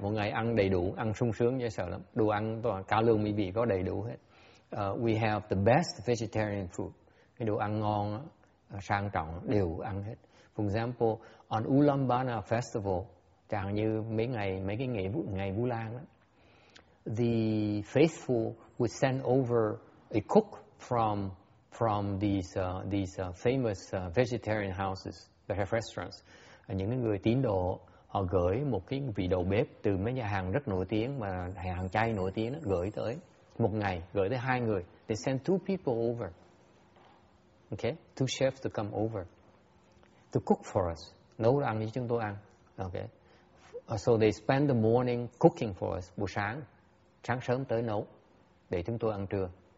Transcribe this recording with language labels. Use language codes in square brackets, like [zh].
[vi] Mỗi ngày ăn đầy đủ, ăn sung sướng dễ sợ lắm. Đồ ăn toàn cao lương mỹ vị có đầy đủ hết. [en] We have the best vegetarian food. [vi] Cái đồ ăn ngon sang trọng đều ăn hết. [en] For example, on Ulambana festival, [vi] chẳng như mấy cái ngày Vu Lan đó, [en] the faithful would send over a cook from these famous vegetarian houses that have restaurants. [vi] Những người tín đồ họ gửi một cái vị đầu bếp từ mấy nhà hàng rất nổi tiếng mà hàng chay nổi tiếng đó, gửi tới một ngày gửi tới hai người. [en] They send two people over. Okay, two chefs to come over to cook for us. [vi] Nấu ăn cho chúng tôi ăn. Okay. [en] So they spend the morning cooking for us. [vi] Buổi sáng, sáng sớm tới nấu để chúng tôi ăn trưa.